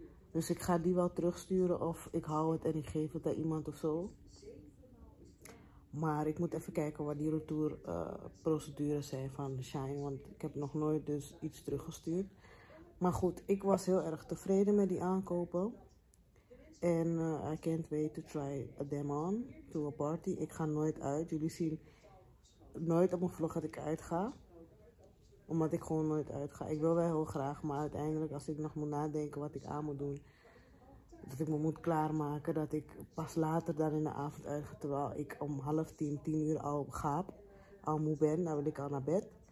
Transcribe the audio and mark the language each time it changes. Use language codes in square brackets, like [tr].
[nl] Dus ik ga die wel terugsturen of ik hou het en ik geef het aan iemand of zo. Maar ik moet even kijken wat die retourprocedures zijn van Shein. Want ik heb nog nooit dus iets teruggestuurd. Maar goed, ik was heel erg tevreden met die aankopen. [en] En I can't wait to try them on to a party. [nl] Ik ga nooit uit. Jullie zien nooit op mijn vlog dat ik uitga. Omdat ik gewoon nooit uitga. Ik wil wel heel graag. Maar uiteindelijk als ik nog moet nadenken wat ik aan moet doen. Dat ik me moet klaarmaken, dat ik pas later dan in de avond uitga, terwijl ik om 9:30, 10:00 al gaap, al moe ben, dan wil ik al naar bed.